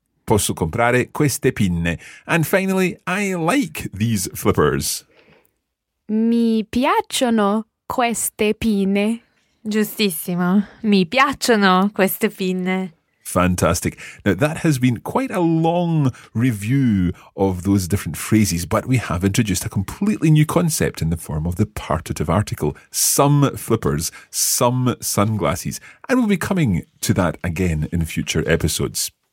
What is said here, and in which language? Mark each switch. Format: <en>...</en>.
<it>Posso comprare queste pinne.</it> <en>And finally, I like these flippers.</en> <it>Mi piacciono queste pinne. Giustissimo. Mi piacciono queste pinne.</it> <en>Fantastic. Now, that has been quite a long review of those different phrases, but we have introduced a completely new concept in the form of the partitive article, some flippers, some sunglasses, and we'll be coming to that again in future episodes.</en>